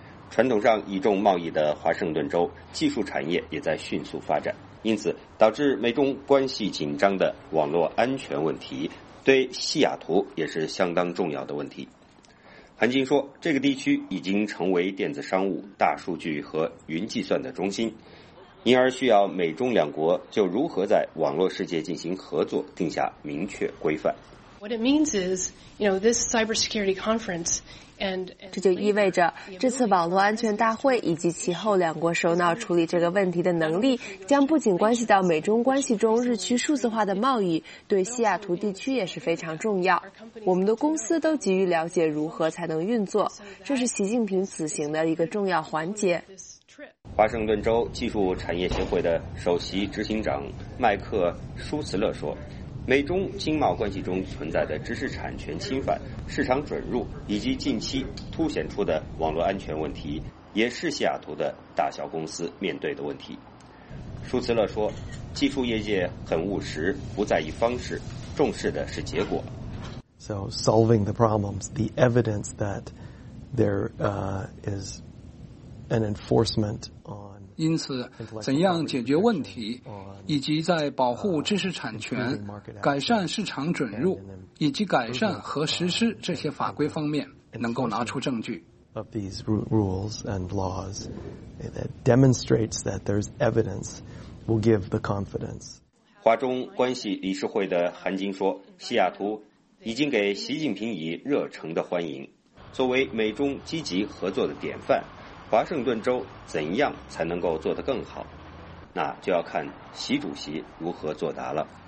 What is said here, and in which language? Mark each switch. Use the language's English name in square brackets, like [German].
[Chinese] 传统上倚重贸易的华盛顿州技术产业也在迅速发展，因此导致美中关系紧张的网络安全问题对西雅图也是相当重要的问题。韩晶说，这个地区已经成为电子商务、大数据和云计算的中心，因而需要美中两国就如何在网络世界进行合作定下明确规范。 [English] What it means is, you know, this cybersecurity conference and [Chinese] 这就意味着这次网络安全大会以及其后两国首脑处理这个问题的能力，将不仅关系到美中关系中日趋数字化的贸易，对西雅图地区也是非常重要。我们的公司都急于了解如何才能运作，这是习近平此行的一个重要环节。华盛顿州技术产业协会的首席执行长麦克·舒茨勒说，美中经贸关系中存在的知识产权侵犯、市场准入以及近期凸显出的网络安全问题，也是西雅图的大小公司面对的问题。舒茨勒说，技术业界很务实，不在意方式，重视的是结果。 [English] So solving the problems, the evidence that there is an enforcement on... [Chinese] 因此怎样解决问题，以及在保护知识产权、改善市场准入以及改善和实施这些法规方面能够拿出证据。 [English] Of these rules and laws that demonstrates that there's evidence will give the confidence. [Chinese] 华中关系理事会的韩晶说，西雅图已经给习近平以热诚的欢迎，作为美中积极合作的典范。华盛顿州怎样才能够做得更好？那就要看习主席如何作答了。